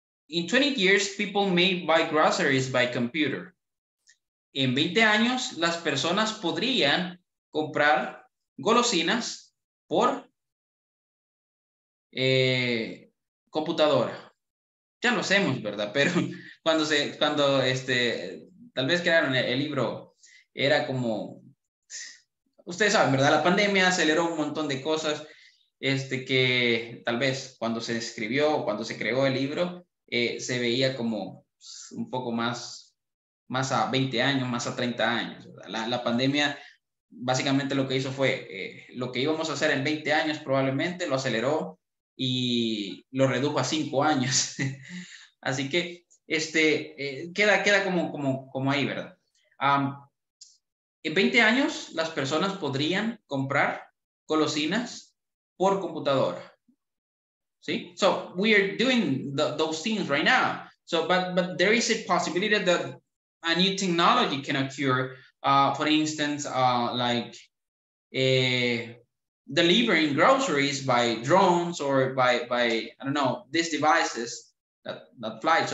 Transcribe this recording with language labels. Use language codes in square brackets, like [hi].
[en] In 20 years, people may buy groceries by computer. [es] En 20 años, las personas podrían comprar golosinas por computadora. Ya lo hacemos, ¿verdad? Pero cuando tal vez crearon el libro, era como, ustedes saben, ¿verdad? La pandemia aceleró un montón de cosas que tal vez cuando se escribió o cuando se creó el libro, se veía como un poco más a 20 años, más a 30 años. La pandemia básicamente lo que hizo fue lo que íbamos a hacer en 20 años probablemente lo aceleró y lo redujo a 5 años. Así que queda como ahí, ¿verdad? En 20 años las personas podrían comprar golosinas por computadora. [en] See, so we are doing those things right now. So, but there is a possibility that a new technology can occur. For instance, like delivering groceries by drones or by I don't know, these devices that fly.